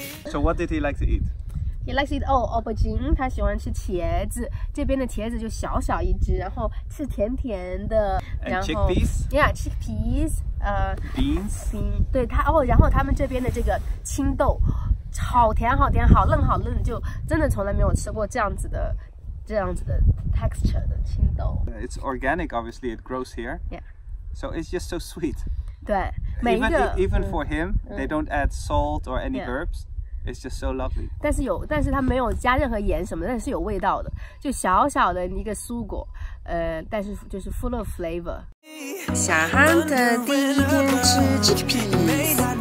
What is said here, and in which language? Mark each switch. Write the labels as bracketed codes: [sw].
[en] So what did he like to eat? He likes it all, aubergine. [zh] 他喜欢吃茄子，这边的茄子就小小一只，然后是甜甜的。 [en] And、 [zh] 然后 [en] chickpeas. Yeah, chickpeas. Beans. [zh] 对他哦，然后他们这边的这个青豆，好甜好甜，好嫩好嫩，就真的从来没有吃过这样子的 texture 的青豆。 [en] It's organic, obviously. It grows here. Yeah. So it's just so sweet. [zh] 对，每一个 [en] even for him,、they don't add salt or any、herbs. It's just so lovely. [zh] 但是它没有加任何盐什么，但是有味道的，就小小的一个蔬果，但是就是 [en] full of flavor. [zh] 小 Hunter 第一天吃 chickpeas.